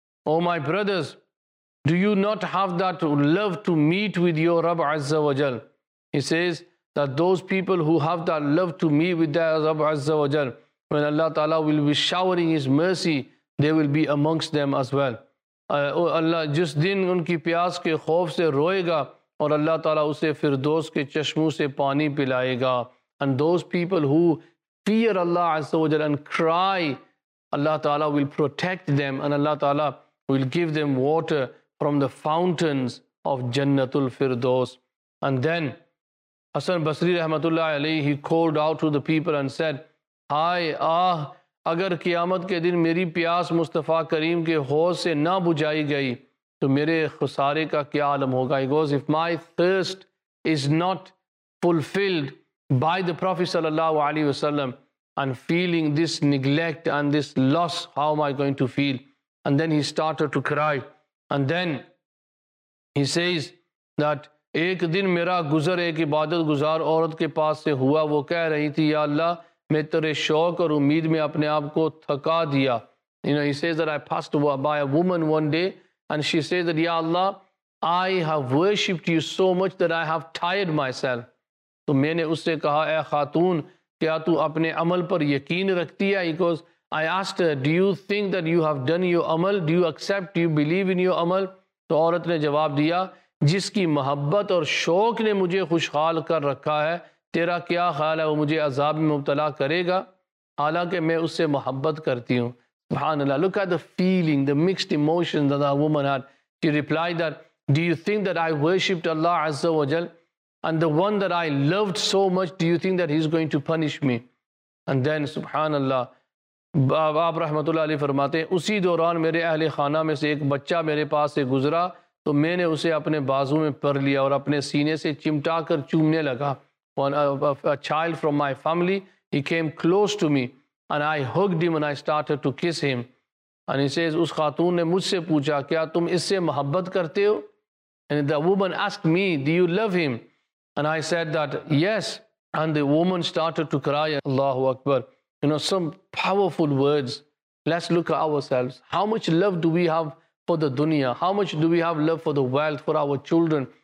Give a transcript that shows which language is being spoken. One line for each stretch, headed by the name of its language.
English: Oh my brothers, do you not have that love to meet with your Rabb Azza wa Jal? He says that those people who have that love to meet with their Rabb Azza wa Jal, when Allah Ta'ala will be showering His mercy, they will be amongst them as well.
Urdu: Allah jis din unki pyaas ke khauf se roega, اور اللہ تعالیٰ اسے فردوس کے چشموں سے پانی پلائے گا.
English: And those people who fear Allah عز و جل and cry, Allah تعالیٰ will protect them and Allah تعالیٰ will give them water from the fountains of جنت الفردوس.
Urdu: And then حسن بصری رحمت اللہ علیہ,
English: he called out to the people and said,
Urdu: ہائے آہ, اگر قیامت کے دن میری پیاس مصطفیٰ کریم کے حوض سے نہ بجائی گئی تو میرے خسارے کا کیا عالم ہوگا.
English: He goes, if my thirst is not fulfilled by the Prophet صلی اللہ علیہ وسلم, and feeling this neglect and this loss, how am I going to feel? And then he started to cry. And then he says that
Urdu: ایک دن میرا گزر ایک عبادت گزار عورت کے پاس سے ہوا, وہ کہہ رہی تھی, یا اللہ, میں تیرے شوق اور امید میں اپنے آپ کو تھکا دیا.
English: You know, he says that I passed by a woman one day, and she says that, Ya Allah, I have worshipped you so much that I have tired myself. So I asked her,
Urdu: خاتون, کیا تو اپنے عمل پر یقین رکھتی ہے?
English: Because I asked her, do you think that you have done your amal? Do you accept, do you believe in your amal?
Urdu: تو عورت نے جواب دیا, جس کی محبت اور شوق نے مجھے خوشحال کر رکھا ہے, تیرا کیا خیال ہے, وہ مجھے عذاب میں مبتلا کرے گا, حالانکہ میں اس سے محبت کرتی ہوں.
English: SubhanAllah, look at the feeling, the mixed emotions that that woman had. She replied that, do you think that I worshipped Allah Azza wa Jal? And the one that I loved so much, do you think that he's going to punish me? And then,
Urdu: SubhanAllah, Baab Rahmatullah Ali فرماتے ہیں, اسی دوران میرے اہل خانہ میں سے ایک بچہ میرے پاس سے گزرا, تو میں نے اسے اپنے بازوں میں پر لیا اور اپنے سینے سے چمٹا کر چومنے لگا.
English: A child from my family, he came close to me, and I hugged him and I started to kiss him. And he says,
Urdu: اس خاتون نے مجھ سے پوچھا, کیا تم اس سے محبت کرتے ہو?
English: And the woman asked me, do you love him? And I said that, yes. And the woman started to cry, Allahu Akbar. You know, some powerful words. Let's look at ourselves. How much love do we have for the dunya? How much do we have love for the wealth, for our children?